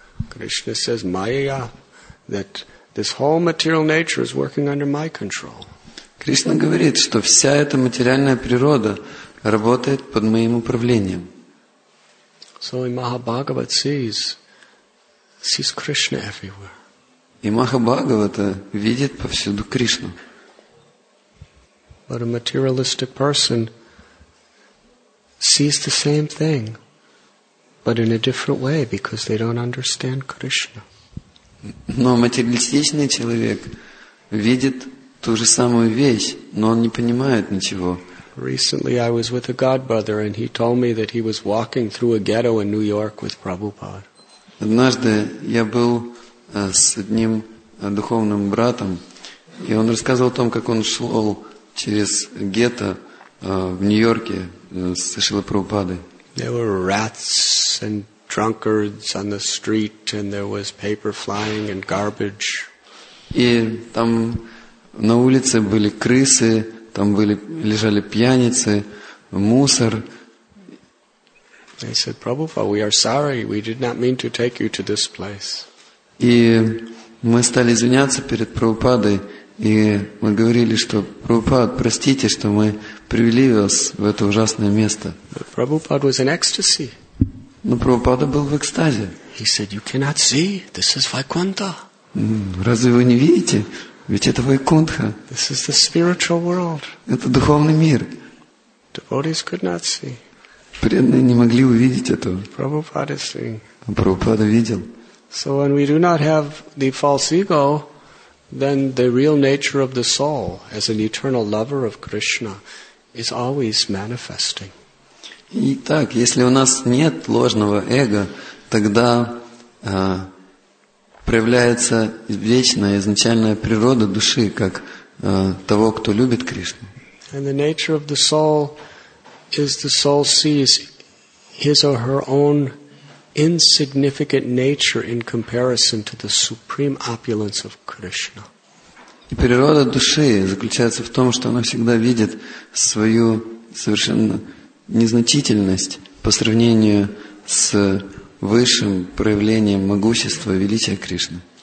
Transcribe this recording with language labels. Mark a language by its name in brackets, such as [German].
[English] Krishna says, Maya, that this whole material nature is working under my control. [Russian] Кришна говорит, что вся эта материальная природа работает под моим управлением. [English] So in Mahabhagavat sees Krishna everywhere. [Russian] И Махабхагавата видит повсюду Кришну. [English] But a materialistic person sees the same thing, but in a different way, because they don't understand Krishna. [Russian] Но материалистичный человек видит ту же самую вещь, но он не понимает ничего. [English] Recently I was with a godbrother, and he told me that he was walking through a ghetto in New York with Prabhupada. [Russian] Однажды я был с одним духовным братом, и он рассказывал о том, как он шел через гетто в Нью-Йорке с Шрилы Прабхупадой. [English] There were rats and drunkards on the street, and there was paper flying and garbage. [Russian] И там на улице были крысы, там были лежали пьяницы, мусор. [English] They said, Prabhupada, we are sorry, we did not mean to take you to this place. [Russian] И мы стали извиняться перед Прабхупадой, И мы говорили, что Прабхупад, простите, что мы привели вас в это ужасное место. [English] But Prabhupad was in ecstasy. [Russian] Но Прабхупада был в экстазе. [English] He said, you cannot see. This is Vaikuntha. [Russian] Разве вы не видите? Ведь это Вайкунтха. [English] This is the spiritual world. [Russian] Это духовный мир. [English] Devotees could not see. [Russian] Преданные не могли увидеть этого. [English] Prabhupad is seeing. [Russian] А Прабхупада видел. [English] So when we do not have the false ego, then the real nature of the soul as an eternal lover of Krishna is always manifesting. [Russian] Итак, если у нас нет ложного эго, тогда проявляется вечная, изначальная природа души, как того, кто любит Кришну. [English] And the nature of the soul is the soul sees his or her own insignificant nature in comparison to the supreme opulence of Krishna. [Russian] И природа души заключается в том, что она всегда видит свою совершенно незначительность по сравнению с высшим проявлением могущества, величия Кришны.